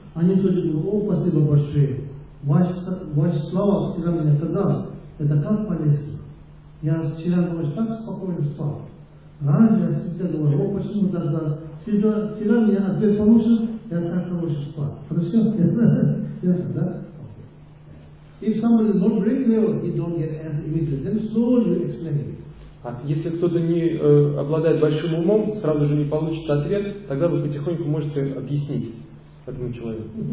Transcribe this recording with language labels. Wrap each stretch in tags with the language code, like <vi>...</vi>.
<ru>Они тоже говорят, о, спасибо большое. Ваша слава всегда мне оказала. Это так полезно. Я вчера ночью так спокойно спал. Раньше я всегда говорю, о, почему так да? Всегда мне ответ получил, я так хорошо спал. Хорошо? Ясно, да?</ru> <en>If somebody is not breaking well, he don't get answer immediately. Then slowly you explain it.</en> <ru>Если кто-то не обладает большим умом, сразу же не получит ответ, тогда вы потихоньку можете объяснить этому человеку.</ru>